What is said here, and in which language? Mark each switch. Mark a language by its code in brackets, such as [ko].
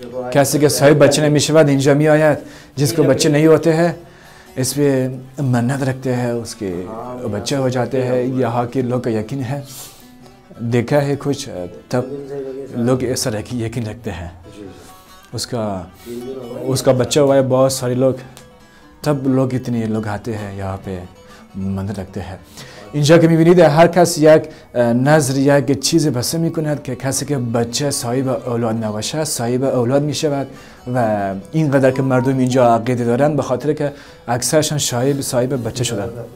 [fa] کسی که صاحب بچه نمی شود اینجا می آید. [ur] جس کو بچه نہیں ہوتے ہیں اس پہ منت رکھتے ہیں, اس کے بچے ہو جاتے ہیں. یہاں کے لوگ کا یقین ہے, دیکھا ہے کچھ, تب لوگ ایسا یقین رکھتے ہیں. اس کا بچہ ہوا ہے, بہت سارے لوگ, تب لوگ اتنے لوگ آتے ہیں یہاں پہ منت رکھتے ہیں. [fa] اینجا که میبینید هر کس یک نظر یک چیز بسه میکند که کسی که بچه صاحب اولاد نباشه صاحب اولاد میشود. و اینقدر که مردم اینجا عقیده دارن به خاطر که اکثرشان صاحب بچه شدن.